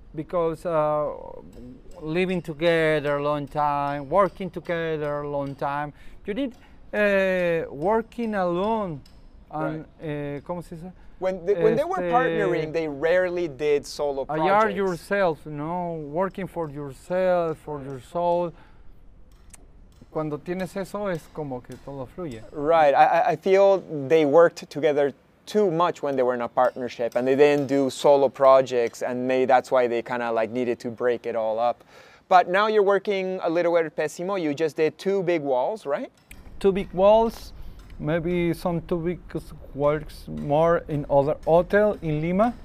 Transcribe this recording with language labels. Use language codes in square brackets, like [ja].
[en] Because living together a long time, working together a long time, you need working alone. And, [es] ¿cómo se dice? [en] When they were partnering, they rarely did solo projects. You are yourself, you know, working for yourself, for your soul. [es] Cuando tienes eso, es como que todo fluye. [en] Right, I feel they worked together too much when they were in a partnership and they didn't do solo projects, and maybe that's why they kind of like needed to break it all up. But now you're working a little bit at Pessimo. You just did two big walls, right? Two big walls, maybe some 2 weeks works more in other hotel in Lima.